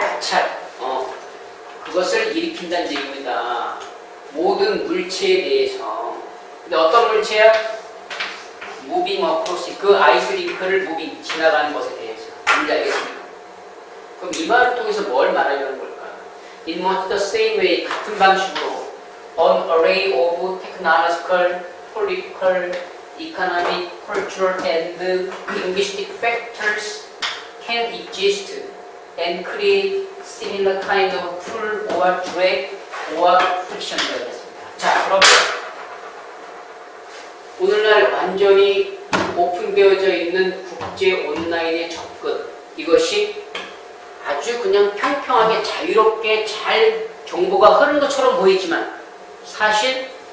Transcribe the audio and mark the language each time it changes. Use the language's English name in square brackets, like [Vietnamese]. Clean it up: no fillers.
[Korean] 마찰. 어. 그것을 일으킨다는 얘기입니다. 모든 물체에 대해서. 근데 어떤 물체야? 무빙 어크로스, 그 아이스링크를 무빙, 지나가는 것에 대해서 뭔지 알겠습니까? 그럼 이 말을 통해서 뭘 말하려는 걸까? [English] In much the same way, [Korean] 같은 방식으로 [English] An array of technological, political, economic, cultural, and linguistic factors can exist and create similar kind of pull or drag or friction. [Korean] 자, 그럼 오늘날 완전히 오픈되어져 있는 국제 온라인의 접근 이것이 아주 그냥 평평하게 자유롭게 잘 정보가 흐른 것처럼 보이지만 사실